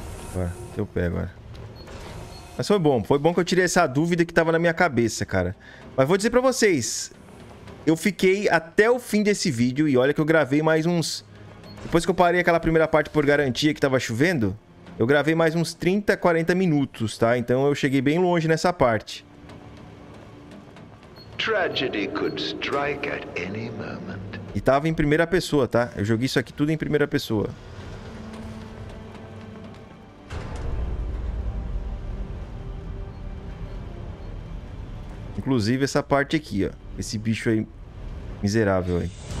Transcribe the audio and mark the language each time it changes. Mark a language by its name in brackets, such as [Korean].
[Portuguese] Agora, eu pego agora. Mas foi bom. Foi bom que eu tirei essa dúvida que tava na minha cabeça, cara. Mas vou dizer pra vocês. Eu fiquei até o fim desse vídeo e olha que eu gravei mais uns... Depois que eu parei aquela primeira parte por garantia que tava chovendo, eu gravei mais uns 30, 40 minutos, tá? Então eu cheguei bem longe nessa parte. [English] Tragedy could strike at any moment. [Portuguese] E tava em primeira pessoa, tá? Eu joguei isso aqui tudo em primeira pessoa. Inclusive essa parte aqui, ó. Esse bicho aí miserável aí.